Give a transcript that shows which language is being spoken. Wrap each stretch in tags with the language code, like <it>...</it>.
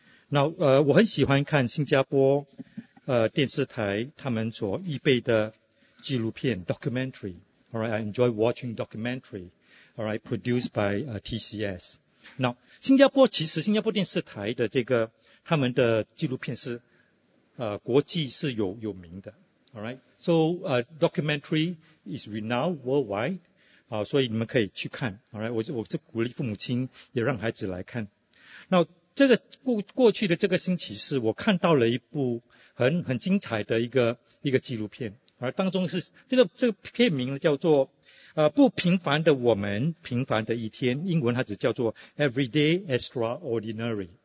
<zh>那我很喜欢看新加坡电视台他们所预备的纪录片 documentary，Alright？</zh> <en>I enjoy watching documentary，Alright？ Produced by TCS。</en> <zh>那新加坡其实新加坡电视台的这个他们的纪录片是国际是有名的。</zh> <en>Alright, so documentary is renowned worldwide.</en> <zh>所以你们可以去看。 Alright, 我是鼓励父母亲也让孩子来看。那这个过去的这个星期是我看到了一部很精彩的一个纪录片。而当中是这个片名叫做不平凡的我们平凡的一天，英文它只叫做 Everyday Extraordinary。</zh>